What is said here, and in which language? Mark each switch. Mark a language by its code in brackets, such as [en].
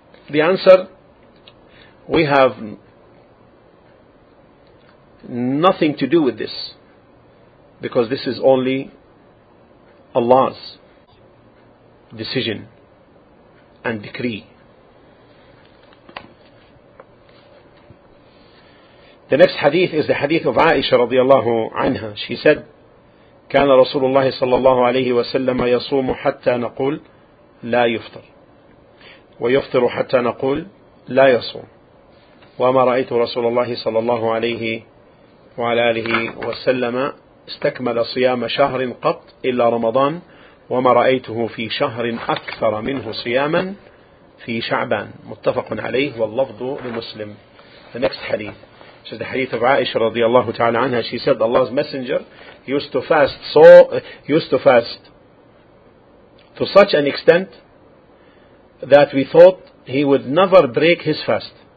[en] The answer, we have nothing to do with this, because this is only Allah's decision and decree. The next hadith is the hadith of Aisha radiallahu anha. She said, [ar] كان رسول الله صلى الله عليه وسلم يصوم حتى نقول لا يفطر ويفطر حتى نقول لا يصوم وما رأيت رسول الله صلى الله عليه وعلى آله وسلم استكمل صيام شهر قط إلا رمضان وما رأيته في شهر أكثر منه صياما في شعبان. متفق عليه واللفظ لمسلم. [en] The next hadith. This is the hadith of Aisha radiallahu ta'ala anha. She said, Allah's Messenger used to fast to such an extent that we thought he would never break his fast.